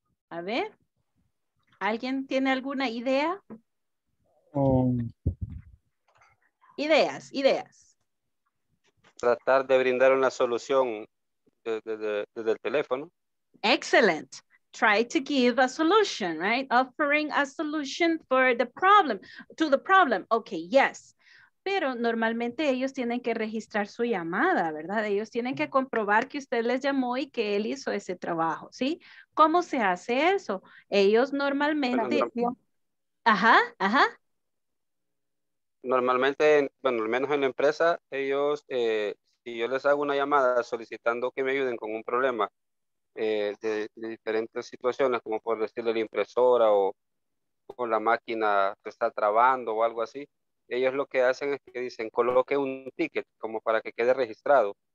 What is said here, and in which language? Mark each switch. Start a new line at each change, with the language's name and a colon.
Spanish: A ver, ¿alguien tiene alguna idea? Ideas. Tratar de brindar una solución desde el teléfono.
English: Excellent. Try to give a solution, right? Offering a solution for the problem, to the problem. Okay, yes.
Spanish: Pero normalmente ellos tienen que registrar su llamada, ¿verdad? Ellos tienen que comprobar que usted les llamó y que él hizo ese trabajo, ¿sí? ¿Cómo se hace eso? Ellos normalmente... Ajá. Normalmente, bueno, al menos en la empresa, ellos, si yo les hago una llamada solicitando que me ayuden con un problema de diferentes situaciones, como por decirle la impresora o la máquina que está trabando o algo así, ellos lo que hacen es que dicen, coloque un ticket como para que quede registrado.